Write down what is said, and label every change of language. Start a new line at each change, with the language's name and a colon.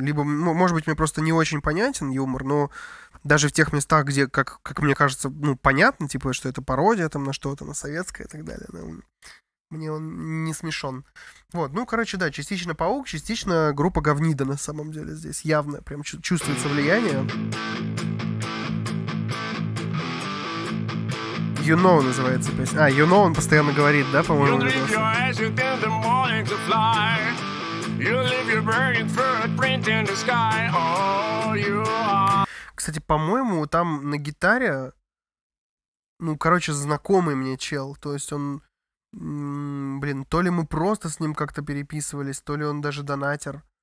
Russian: Либо, ну, может быть, мне просто не очень понятен юмор, но даже в тех местах, где, как мне кажется, ну, понятно, типа, что это пародия там на что-то, на советское и так далее, но мне он не смешон. Вот, ну, короче, да, частично паук, частично группа Говнида на самом деле здесь. Явно прям чувствуется влияние. You Know называется песня. А, You Know он постоянно говорит, да, по-моему?
English: You dream your eyes until the morning to fly. You live your burning footprint in the sky. Oh, you are...
Russian: Кстати, по-моему, там на гитаре, ну, короче, знакомый мне чел. То есть он, блин, то ли мы просто с ним как-то переписывались, то ли он даже донатер.